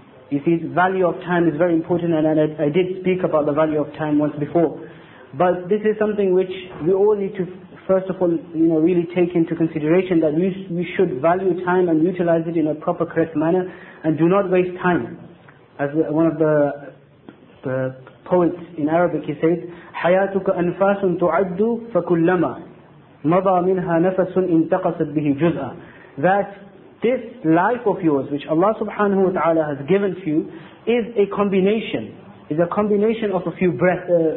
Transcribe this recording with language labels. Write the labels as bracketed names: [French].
[English] You see, the value of time is very important, and I did speak about the value of time once before. But this is something which we all need to, first of all, you know, really take into consideration, that we should value time and utilize it in a proper, correct manner, and do not waste time. As one of the poets in Arabic, he says, [Arabic] حياتك أنفاس تعد فكلما مضى منها نفس انتقصت به جزءا. [English] That this life of yours, which Allah subhanahu wa ta'ala has given to you, is a combination of a few breaths.